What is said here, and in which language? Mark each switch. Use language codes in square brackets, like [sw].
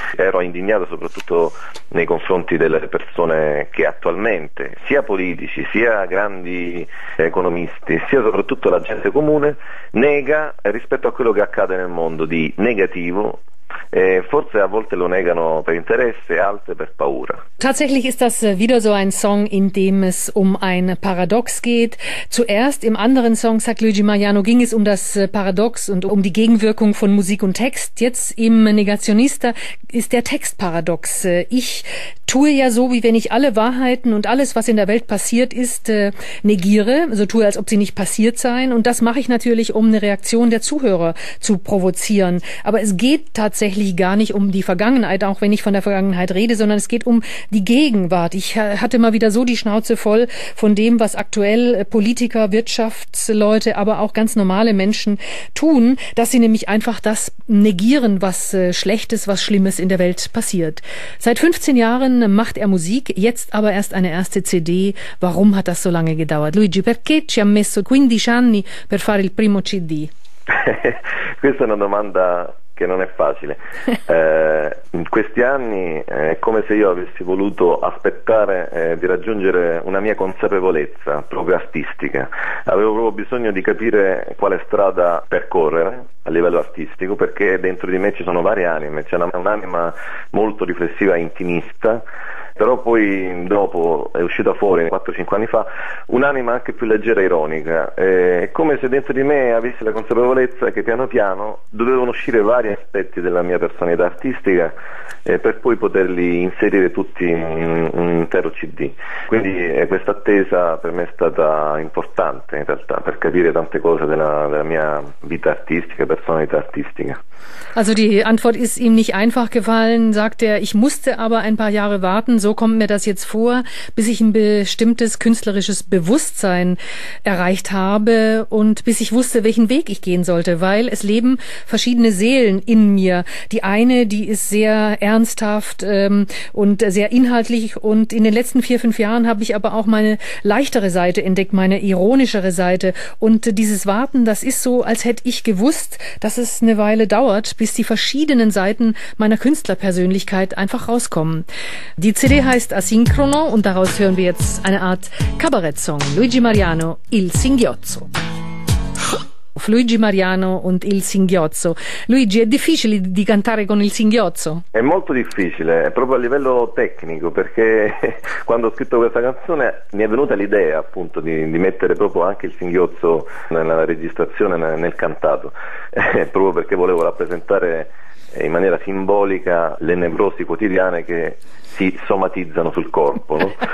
[it] Ero indignato soprattutto nei confronti delle persone che attualmente, sia politici, sia grandi economisti, sia soprattutto la gente comune, nega rispetto a quello che accade nel mondo di negativo. Forse a volte lo negano per interesse, altre per paura. [de] Tatsächlich ist das wieder so ein Song, in dem es um ein Paradox geht. Zuerst im anderen Song, sagt Luigi Mariano, ging es um das Paradox und um die Gegenwirkung von Musik und Text. Jetzt im Negazionista ist der Text paradox. Ich tue ja so, wie wenn ich alle Wahrheiten und alles, was in der Welt passiert ist, negiere, so tue, als ob sie nicht passiert seien. Und das mache ich natürlich, um eine Reaktion der Zuhörer zu provozieren. Aber es geht tatsächlich gar nicht um die Vergangenheit, auch wenn ich von der Vergangenheit rede, sondern es geht um die Gegenwart. Ich hatte mal wieder so die Schnauze voll von dem, was aktuell Politiker, Wirtschaftsleute, aber auch ganz normale Menschen tun, dass sie nämlich einfach das negieren, was Schlechtes, was Schlimmes in der Welt passiert. Seit 15 Jahren macht er Musik, jetzt aber erst eine erste CD. Warum hat das so lange gedauert? [it] Luigi, perché ci ha messo 15 anni per fare il primo CD? Questa è una domanda che non è facile. In questi anni è come se io avessi voluto aspettare di raggiungere una mia consapevolezza proprio artistica. Avevo proprio bisogno di capire quale strada percorrere a livello artistico, perché dentro di me ci sono varie anime, c'è un'anima molto riflessiva e intimista però poi dopo è uscita fuori 4-5 anni fa un'anima anche più leggera e ironica. È come se dentro di me avessi la consapevolezza che piano piano dovevano uscire vari aspetti della mia personalità artistica, per poi poterli inserire tutti in un intero CD. Quindi questa attesa per me è stata importante in realtà per capire tante cose della mia vita artistica, personalità artistica. [de] Also die Antwort ist ihm nicht einfach gefallen, sagt er. Ich musste aber ein paar Jahre warten, so kommt mir das jetzt vor, bis ich ein bestimmtes künstlerisches Bewusstsein erreicht habe und bis ich wusste, welchen Weg ich gehen sollte, weil es leben verschiedene Seelen in mir. Die eine, die ist sehr ernsthaft und sehr inhaltlich und in den letzten 4, 5 Jahren habe ich aber auch meine leichtere Seite entdeckt, meine ironischere Seite. Und dieses Warten, das ist so, als hätte ich gewusst, dass es eine Weile dauert, bis die verschiedenen Seiten meiner Künstlerpersönlichkeit einfach rauskommen. Die CD heißt Asincrono und daraus hören wir jetzt eine Art Kabarettsong. Luigi Mariano, Il Singhiozzo. Luigi Mariano und Il Singhiozzo. [it] Luigi, è difficile di cantare con il singhiozzo? È molto difficile, proprio a livello tecnico, perché quando ho scritto questa canzone mi è venuta l'idea appunto di mettere proprio anche il singhiozzo nella registrazione, nel cantato, proprio perché volevo rappresentare in maniera simbolica le nevrosi quotidiane che si somatizzano sul corpo, no?